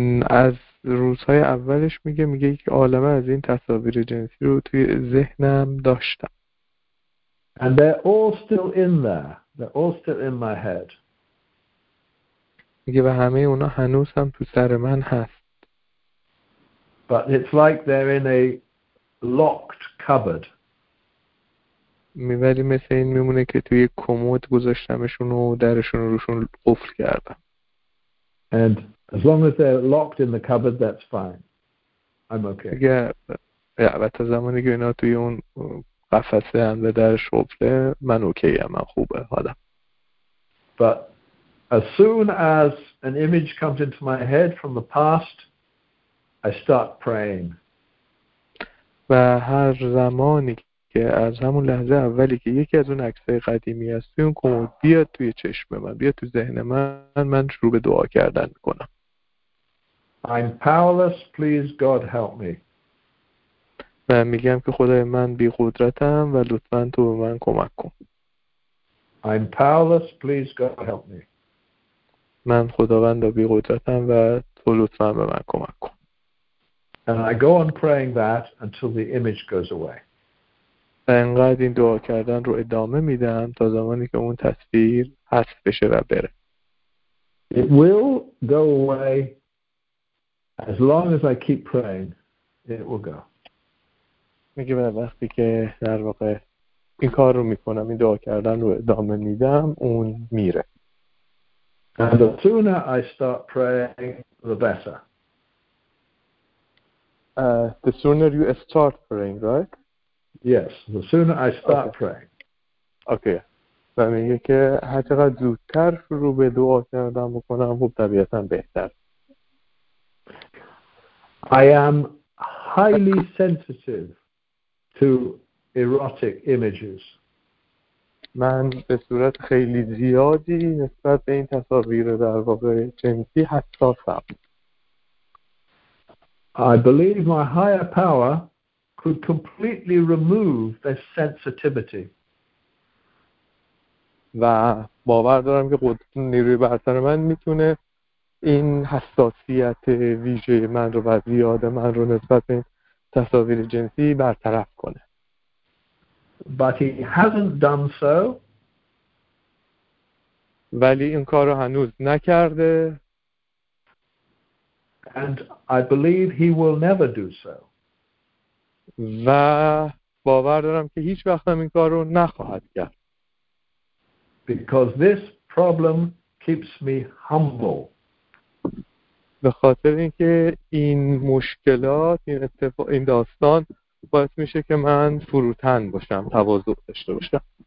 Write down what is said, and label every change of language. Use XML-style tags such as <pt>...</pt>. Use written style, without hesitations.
<fa>از روزهای اولش میگه یک عالمه از این تصاویر جنسی رو توی ذهنم داشتم.</fa> <en>And they're all still in there. They're all still in my head.</en> <fa>میگه و همه اونا هنوز هم تو سر من هست.</fa> <en>But it's like they're in a locked cupboard.</en> <fa>ولی مثل این میمونه که توی کمد گذاشتمشون و درشون روشون قفل کردم.</fa> <en>And as long as they're locked in the cupboard, that's fine. I'm okay.</en> <fa>و تا زمانی که اینا توی اون قفسه هم به درش قفله، من اوکی هم، من خوبه حالم.</fa> <en>But as soon as an image comes into my head from the past, I start praying.</en> <fa>و هر زمانی که از همون لحظه اولی که یکی از اون عکسای قدیمی هست اون کمد بیاد توی چشم من، بیاد تو ذهن من، من شروع به دعا کردن میکنم.</fa> <en>I'm powerless, please God help me.</en> <fa>و میگم که خدای من بی قدرتم و لطفاً تو به من کمک کن.</fa> <en>I'm powerless, please God help me.</en> <fa>من خداوند بی قدرتم و تو لطفاً به من کمک کن.</fa> <en>And I go on praying that until the image goes away.</en> <fa>و انقدر این دعا کردن رو ادامه میدم تا زمانی که اون تصویر حذف بشه و بره.</fa> <en>It will go away as long as I keep praying. It will go.</en> <fa>میگه به وقتی که در واقع این کار رو میکنم، این دعا کردن رو ادامه میدم، اون میره.</fa> <en>And the sooner I start praying, the better. The sooner you start praying, right? Yes, the sooner I start okay. praying. Okay.</en> <fa>و میگه که هر چقدر زودتر رو به دعا کردن بکنم خوب طبیعتا بهتر.</fa> <en>I am highly sensitive to erotic images.</en> <fa>من به صورت خیلی زیادی نسبت به این تصاویر در واقع جنسی حساسم.</fa> <en>I believe my higher power could completely remove this sensitivity.</en> <fa>و باور دارم که قدرت نیروی برتر من میتونه این حساسیت ویژه من رو و زیاد من رو نسبت به تصاویر جنسی برطرف کنه.</fa> <en>But he hasn't done so.</en> <fa>ولی این کار رو هنوز نکرده.</fa> <en>And I believe he will never do so.</en> <fa>و باور دارم که هیچ وقت هم این کار رو نخواهد کرد.</fa> <en>Because this problem keeps me humble.</en> <fa>به خاطر اینکه این مشکلات این اتفاق این داستان باعث میشه که من فروتن باشم تواضع داشته باشم.</fa>